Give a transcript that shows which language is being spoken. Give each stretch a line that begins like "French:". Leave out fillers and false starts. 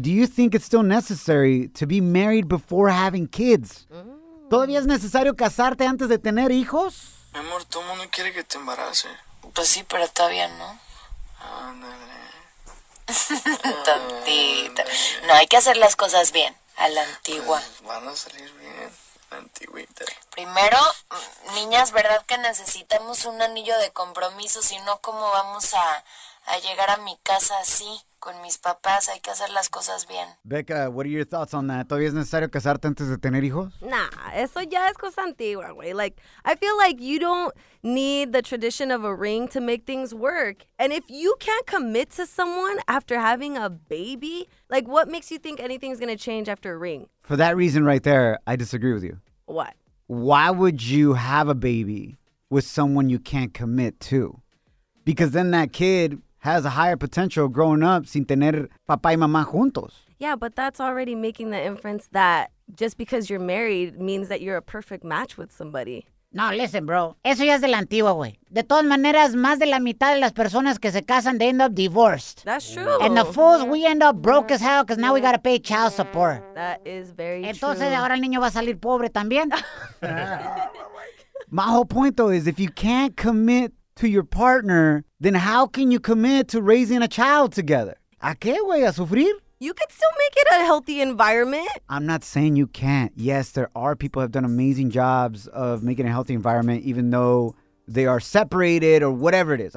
English: Do you think it's still necessary to be married before having kids?
Spanish: ¿Todavía es necesario casarte antes de tener hijos? Mi amor, todo el mundo quiere que te embarace. Pues sí, pero está bien, ¿no? Ándale. Tantita. No, hay que hacer las cosas bien, a la antigua. Pues van a salir bien, la antigüita. Primero, niñas, ¿verdad que necesitamos un anillo de compromiso? Si no, ¿cómo vamos a llegar a mi casa así, con mis papás? Hay que hacer las cosas bien.
English: Becca, what are your thoughts on that?
Spanish: ¿Todavía es necesario casarte antes de tener hijos? Nah, eso ya es cosa antigua, güey.
English: Like, I feel like you don't need the tradition of a ring to make things work. And if you can't commit to someone after having a baby, like, what makes you think anything's going to change after a ring? For that reason right there, I disagree with you. What? Why would you have a baby with someone you can't commit to? Because then that kid has a higher potential growing up
Spanish: sin tener papá y mamá juntos.
English: Yeah, but that's already making the inference that just because you're married means that you're a perfect match with somebody. No, listen, bro.
Spanish: Eso ya es de la antigua, güey. De todas maneras, más de la mitad de las personas que se casan,
English: they end up divorced. That's true. And the fools, we end up broke as hell because now we gotta pay child support. That is very
Spanish: Entonces,
English: true.
Spanish: Entonces, ahora el niño va a salir pobre también.
English: My whole point, though, is if you can't commit to your partner, then how can you commit to raising a child together?
Spanish: ¿A qué, güey? ¿A sufrir?
English: You could still make it a healthy environment. I'm not saying you can't. Yes, there are people who have done amazing jobs of making a healthy environment, even though they are separated or whatever it is.